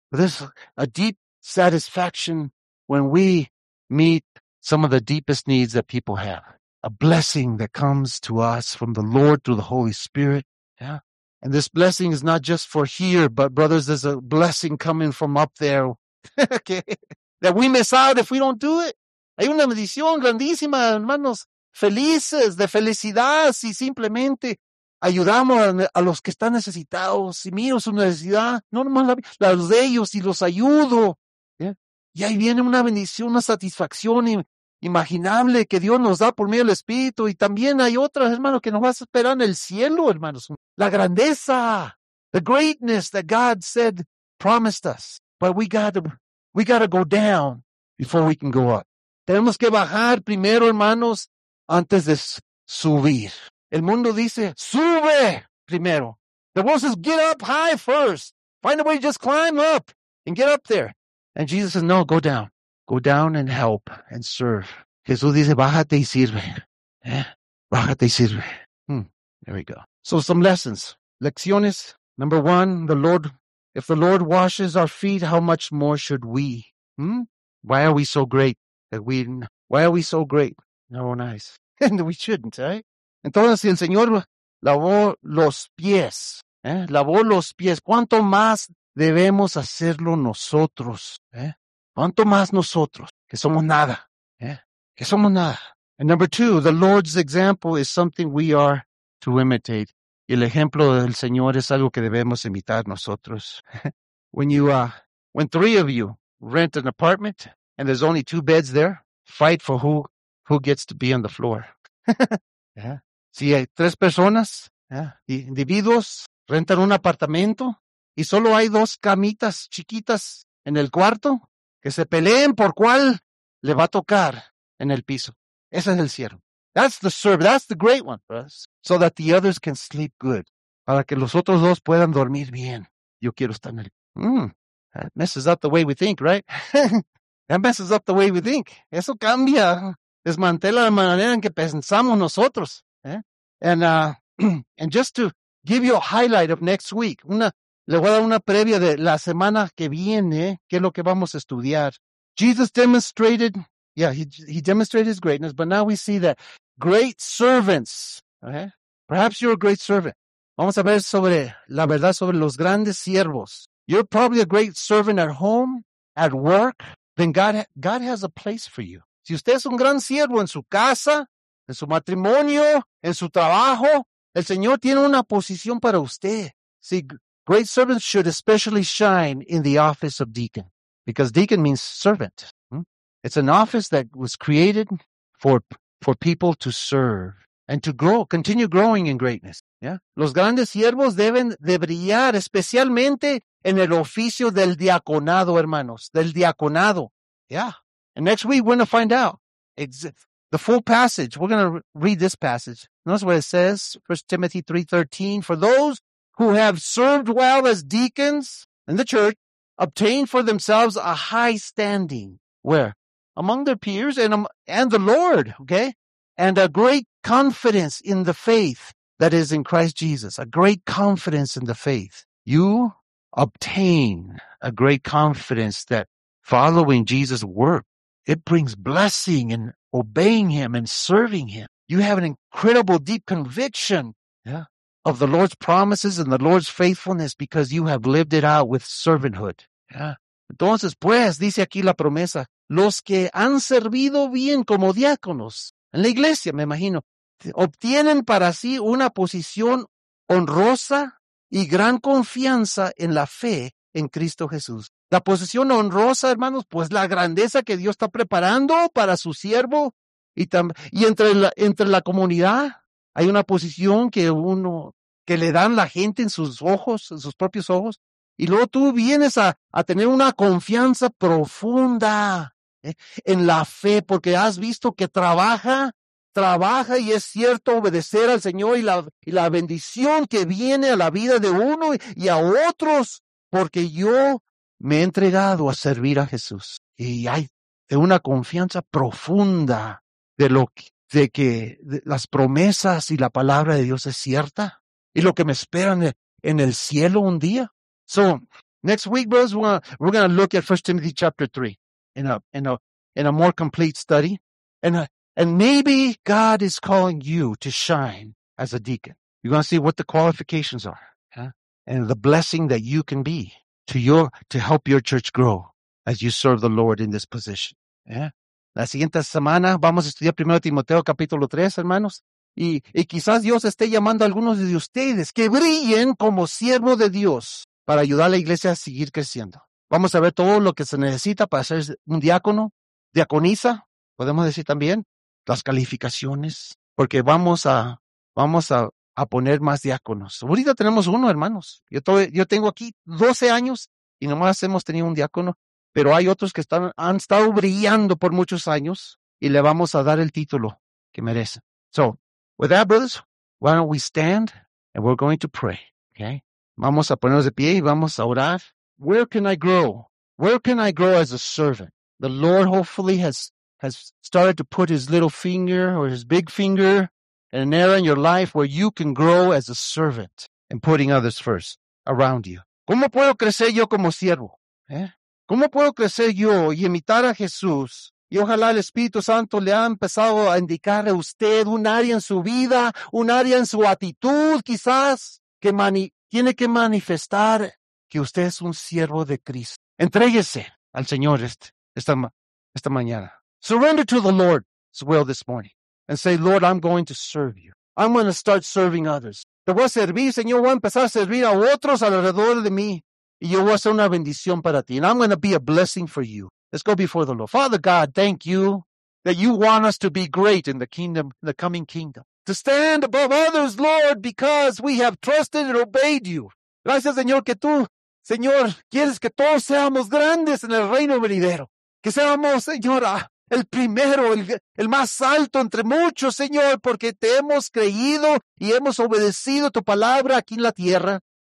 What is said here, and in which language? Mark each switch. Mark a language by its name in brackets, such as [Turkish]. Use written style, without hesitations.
[English] But there's a deep satisfaction when we meet some of the deepest needs that people have. A blessing that comes to us from the Lord through the Holy Spirit. Yeah. And this blessing is not just for here, but brothers, there's a blessing coming from up there. Okay. That we miss out if we don't do it. [Spanish] Hay una bendición grandísima, hermanos. Felices, de felicidad, si simplemente ayudamos a los que están necesitados. Si miro su necesidad, no nomás las de ellos, y los ayudo. Yeah. Y ahí viene una bendición, una satisfacción imaginable que Dios nos da por medio del Espíritu. Y también hay otras, hermanos, que nos va a esperar en el cielo, hermanos. La grandeza, [English] the greatness that God said promised us. But we got to go down before we can go up. [Spanish] Tenemos que bajar primero, hermanos, antes de subir. El mundo dice, sube primero. [English] The world says, get up high first. Find a way to just climb up and get up there. And Jesus says, no, go down. Go down and help and serve. [Spanish] Jesús dice, bájate y sirve. ¿Eh? Bájate y sirve. [English] There we go. So some lessons. [Spanish] Lecciones. [English] Number one, if the Lord washes our feet, how much more should we? Why are we so great? Why are we so great? No, nice. And we shouldn't, right? [Spanish] Entonces, si el Señor lavó los pies, ¿eh? Lavó los pies, ¿cuánto más debemos hacerlo nosotros? ¿Eh? ¿Cuánto más nosotros? Que somos nada. ¿Eh? Que somos nada. [English] And number two, the Lord's example is something we are to imitate. [Spanish] Y el ejemplo del Señor es algo que debemos imitar nosotros. [English] When three of you rent an apartment and there's only two beds there, fight for who gets to be on the floor. [Spanish] Si hay tres personas, individuos, rentan un apartamento y solo hay dos camitas chiquitas en el cuarto, que se peleen por cuál le va a tocar en el piso. Ese es el siervo. [English] That's the servant. That's the great one for us. So that the others can sleep good. [Spanish] Para que los otros dos puedan dormir bien. Yo quiero estar en el... [English] That messes up the way we think, right? That messes up the way we think. [Spanish] Eso cambia. Desmantela la manera en que pensamos nosotros. [English] And just to give you a highlight of next week, [Spanish] le voy a dar una previa de la semana que viene, que es lo que vamos a estudiar. [English] Jesus demonstrated, he demonstrated his greatness, but now we see that great servants, okay? Perhaps you're a great servant. [Spanish] Vamos a ver sobre la verdad sobre los grandes siervos. [English] You're probably a great servant at home, at work, then God has a place for you. [Spanish] Si usted es un gran siervo en su casa, en su matrimonio, en su trabajo, el Señor tiene una posición para usted. [English] See, great servants should especially shine in the office of deacon, because deacon means servant. It's an office that was created for people to serve and to grow, continue growing in greatness. Yeah? [Spanish] Los grandes siervos deben de brillar especialmente en el oficio del diaconado, hermanos, del diaconado. [English] Yeah. And next week, we're going to find out. The full passage, we're going to read this passage. Notice what it says, 1 Timothy 3:13. For those who have served well as deacons in the church, obtain for themselves a high standing. Where? Among their peers and the Lord, okay? And a great confidence in the faith that is in Christ Jesus. A great confidence in the faith. You obtain a great confidence that following Jesus' work, it brings blessing and obeying him and serving him. You have an incredible deep conviction of the Lord's promises and the Lord's faithfulness because you have lived it out with servanthood. Yeah. [Spanish] Entonces, pues, dice aquí la promesa, los que han servido bien como diáconos en la iglesia, me imagino, obtienen para sí una posición honrosa y gran confianza en la fe en Cristo Jesús. La posición honrosa, hermanos, pues la grandeza que Dios está preparando para su siervo. Y entre la comunidad hay una posición que le dan la gente en sus ojos, en sus propios ojos. Y luego tú vienes a tener una confianza profunda en la fe, porque has visto que trabaja y es cierto obedecer al Señor y la bendición que viene a la vida de uno y a otros, porque yo me he entregado a servir a Jesús. Y hay una confianza profunda de que las promesas y la palabra de Dios es cierta y lo que me espera en el cielo un día. [English] So, next week, brothers, we're going to look at 1 Timothy chapter 3 in a more complete study. And maybe God is calling you to shine as a deacon. You're going to see what the qualifications are, and the blessing that you can be to help your church grow as you serve the Lord in this position. Yeah. [Spanish] La siguiente semana vamos a estudiar 1 Timoteo capítulo 3, hermanos. Y quizás Dios esté llamando a algunos de ustedes que brillen como siervo de Dios para ayudar a la iglesia a seguir creciendo. Vamos a ver todo lo que se necesita para ser un diácono, diaconisa, podemos decir también, las calificaciones, porque vamos a poner más diáconos. Ahorita tenemos uno, hermanos. Yo tengo aquí 12 años y nomás hemos tenido un diácono, pero hay otros que han estado brillando por muchos años y le vamos a dar el título que merece. [English] So, with that, brothers, why don't we stand and we're going to pray, okay? [Spanish] Vamos a ponernos de pie y vamos a orar. [English] Where can I grow? Where can I grow as a servant? The Lord hopefully has started to put his little finger or his big finger in an area in your life where you can grow as a servant and putting others first around you. [Spanish] ¿Cómo puedo crecer yo como siervo? ¿Cómo puedo crecer yo y imitar a Jesús? Y ojalá el Espíritu Santo le ha empezado a indicar a usted un área en su vida, un área en su actitud quizás, que tiene que manifestar que usted es un siervo de Cristo. Entréguese al Señor esta mañana. [English] Surrender to the Lord's will this morning. And say, Lord, I'm going to serve you. I'm going to start serving others. [Spanish] Te voy a servir, Señor. Voy a empezar a servir a otros alrededor de mí. Y yo voy a ser una bendición para ti. [English] And I'm going to be a blessing for you. Let's go before the Lord. Father God, thank you that you want us to be great in the kingdom, the coming kingdom. To stand above others, Lord, because we have trusted and obeyed you. [Spanish] Gracias, Señor, que tú, Señor, quieres que todos seamos grandes en el reino venidero. Que seamos, Señor, el primero, el más alto entre muchos, Señor, porque te hemos creído y hemos obedecido tu palabra aquí en la tierra.